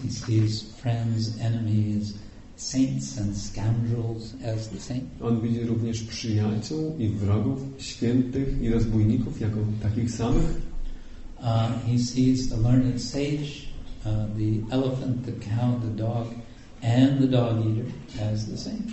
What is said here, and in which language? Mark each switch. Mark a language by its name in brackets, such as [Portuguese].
[English] He sees friends, enemies, saints and scoundrels as the same. [Polish] On widzi również przyjaciół i wrogów, świętych i rozbójników jako takich samych. [English] He sees the learned sage, the elephant, the cow, the dog, and the dog eater as the same.